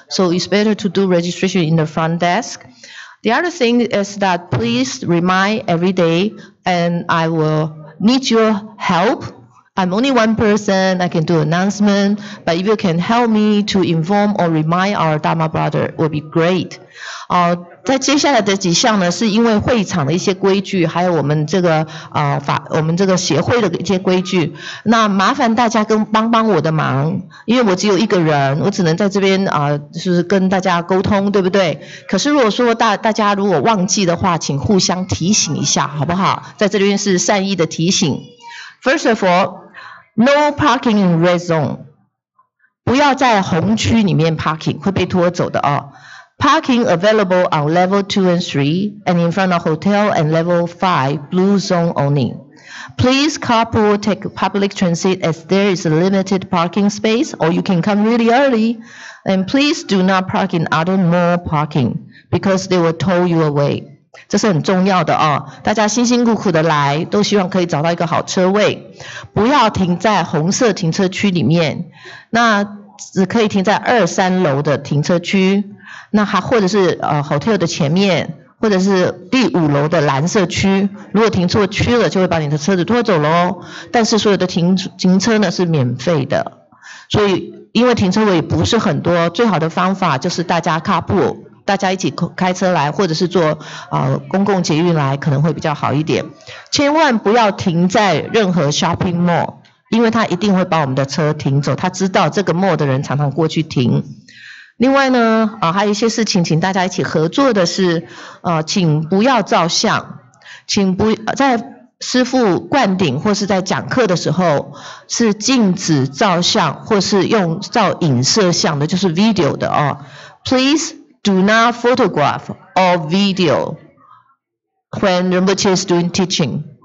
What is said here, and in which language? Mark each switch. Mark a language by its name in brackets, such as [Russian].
[English] So it's better to do registration in the front desk. The other thing is that please remind every day, and I will need your help. I'm only one person, I can do announcement, but if you can help me to inform or remind our Dharma brother, it will be great. [Chinese] 在接下来的几项呢，是因为会场的一些规矩，还有我们这个我们这个协会的一些规矩。那麻烦大家跟帮帮我的忙，因为我只有一个人，我只能在这边就是跟大家沟通，对不对？可是如果说大家如果忘记的话，请互相提醒一下，好不好？在这边是善意的提醒。 [English] First of all, no parking in red zone. [Chinese] 不要在红区里面 parking, 会被拖走的哦。 [English] Parking available on level 2 and 3 and in front of hotel and level 5, blue zone only. Please carpool, take public transit as there is a limited parking space or you can come really early. And please do not park in other mall parking because they will tow you away. [Chinese] 这是很重要的哦，大家辛辛苦苦的来都希望可以找到一个好车位。不要停在红色停车区里面，那只可以停在二三楼的停车区。那还或者是hotel 的前面，或者是第五楼的蓝色区，如果停错区了，就会把你的车子拖走咯。但是所有的停车呢是免费的，所以因为停车位不是很多，最好的方法就是大家carpool，大家一起开车来，或者是坐公共捷运来，可能会比较好一点。千万不要停在任何 shopping mall， 因为他一定会把我们的车停走，他知道这个 mall 的人常常过去停。另外呢，还有一些事情，请大家一起合作的是，请不要照相，请不在师父灌顶或是在讲课的时候是禁止照相或是用照影摄像的，就是 video 的哦。 [English] Please do not photograph or video when Rinpoche is doing teaching。